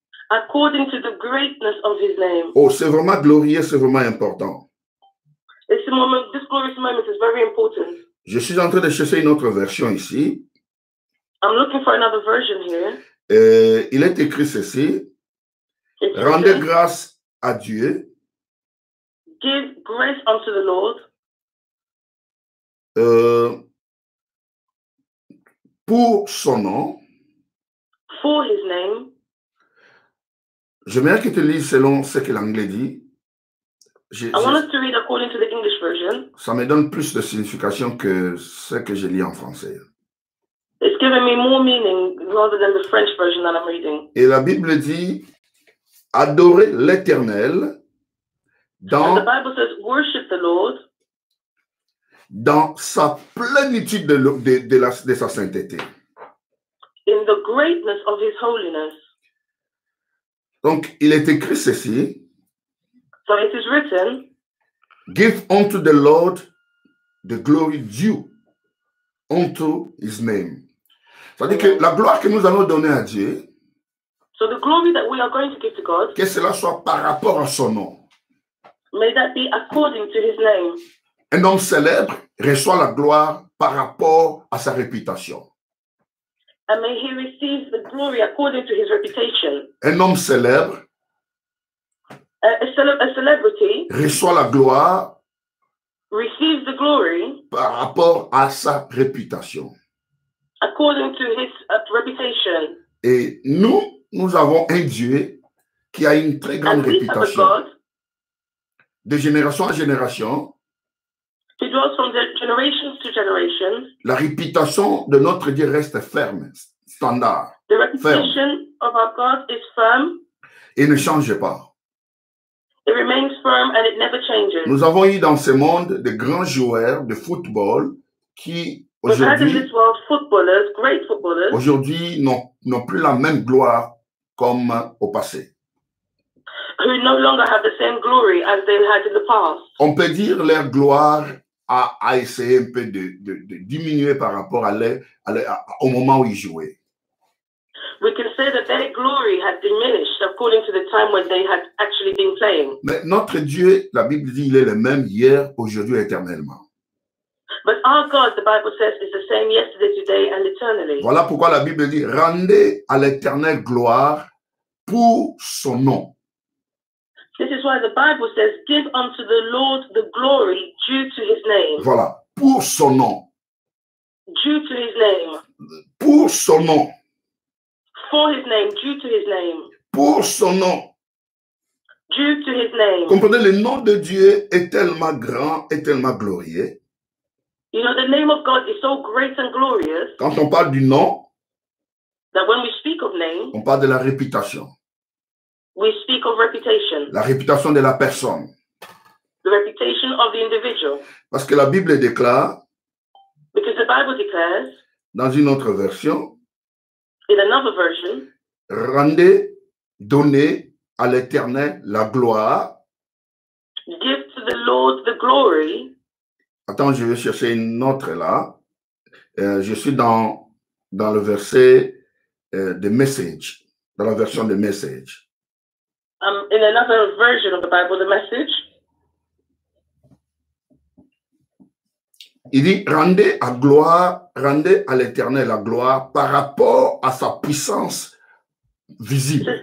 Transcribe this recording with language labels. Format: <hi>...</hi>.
<en>According to the greatness of his name.</en> <fr>Oh, c'est vraiment glorieux, c'est vraiment important.</fr> <en>This glorious moment is very important.</en> <fr>Je suis en train de chercher une autre version ici.</fr> <en>I'm looking for another version here.</en> <fr>Il est écrit ceci. Rendez grâce à Dieu.</fr> <en>Give grace unto the Lord.</en> <fr>Pour son nom.</fr> <en>For his name.</en> <fr>J'aimerais que tu lises selon ce que l'anglais dit.</fr> <en>I want us to read according to the English version.</en> <fr>Ça me donne plus de signification que ce que je lis en français.</fr> <en>It's giving me more meaning rather than the French version that I'm reading.</en> <fr>Et la Bible dit, adorez l'Éternel dans.</fr> <en>And the Bible says, worship the Lord.</en> <fr>Dans sa plénitude de sa sainteté.</fr> <en>in the greatness of his holiness.</en> <fr>Donc, il est écrit ceci.</fr> <en>So it is written, give unto the Lord the glory due unto his name.</en> <fr>C'est-à-dire que la gloire que nous allons donner à Dieu,</fr> <en>so the glory that we are going to give to God,</en> <fr>que cela soit par rapport à son nom.</fr> <en>May that be according to his name.</en> <fr>Un homme célèbre reçoit la gloire par rapport à sa réputation.</fr> <en>And may he receive the glory according to his reputation.</en> <fr>Un homme célèbre</fr> <en>a celebrity</en> <fr>reçoit la gloire</fr> <en>receives the glory</en> <fr>par rapport à sa réputation.</fr> <en>According to his reputation.</en> <fr>Et nous, nous avons un Dieu qui a une très grande réputation. De génération en génération,</fr> <en>he dwells from generations to generations.</en> <fr>La réputation de notre Dieu reste ferme, standard.</fr> <en>The reputation of our God is firm.</en> <fr>Et ne change pas.</fr> <en>It remains firm and it never changes.</en> <fr>Nous avons eu dans ce monde de grands joueurs de football qui aujourd'hui,</fr> <en>we've had in this world footballers, great footballers,</en> <fr>aujourd'hui n'ont plus la même gloire comme au passé.</fr> <en>Who no longer have the same glory as they had in the past.</en> <fr>On peut dire leur gloire a essayé un peu de diminuer par rapport au moment où ils jouaient.</fr> <en>We can say that their glory had diminished according to the time when they had actually been playing.</en> <fr>Mais notre Dieu, la Bible dit, il est le même hier, aujourd'hui, éternellement.</fr> <en>But our God, the Bible says, is the same yesterday, today, and eternally.</en> <fr>Voilà pourquoi la Bible dit, rendez à l'éternel gloire pour son nom.</fr> <en>This is why the Bible says, give unto the Lord the glory due to his name.</en> <fr>Voilà, pour son nom.</fr> <en>Due to his name.</en> <fr>Pour son nom.</fr> <en>For his name, due to his name.</en> <fr>Pour son nom.</fr> <en>Due to his name.</en> <fr>Comprenez, le nom de Dieu est tellement grand et tellement glorieux.</fr> <en>You know, the name of God is so great and glorious.</en> <fr>Quand on parle du nom,</fr> <en>that when we speak of name,</en> <fr>on parle de la réputation.</fr> <en>We speak of reputation.</en> <fr>La réputation de la personne.</fr> <en>The reputation of the individual.</en> <fr>Parce que la Bible déclare.</fr> <en>Because the Bible declares.</en> <fr>Dans une autre version.</fr> <en>In another version.</en> <fr>Rendez, donnez à l'Éternel la gloire.</fr> <en>Give to the Lord the glory.</en> <fr>Attends, je vais chercher une autre là. Je suis dans le verset de Message. Dans la version de Message.</fr> <en>In another version of the Bible, the Message.</en> <fr>Il dit, rendez à l'Éternel la gloire par rapport à sa puissance visible.</fr>